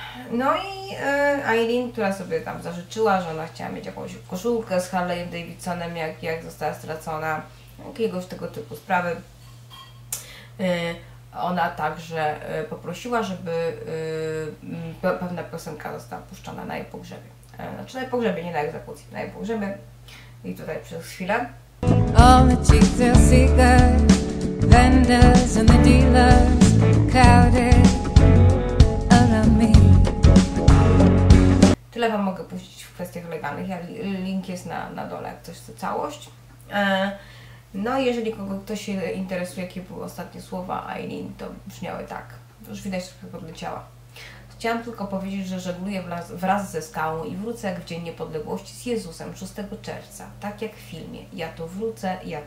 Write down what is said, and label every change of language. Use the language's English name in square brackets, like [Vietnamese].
[Polish] No i Aileen, która sobie tam zażyczyła, że ona chciała mieć jakąś koszulkę z Harley Davidsonem, jak została stracona, jakiegoś tego typu sprawy. Ona także poprosiła, żeby pewna piosenka została puszczona na jej pogrzebie. Znaczy na jej pogrzebie, nie na egzekucji, na jej pogrzebie. I tutaj przez chwilę. [English] All the cheap thrill seekers, vendors and the dealers crowded around me. [Polish] Tyle wam mogę puścić w kwestiach legalnych. Link jest na dole, jak ktoś chce całość. No i jeżeli ktoś się interesuje, jakie były ostatnie słowa Aileen, to brzmiały tak. Już widać, że podleciała. Chciałam tylko powiedzieć, że żegluję wraz ze skałą i wrócę jak w Dzień Niepodległości z Jezusem 6 czerwca, tak jak w filmie. Ja tu wrócę.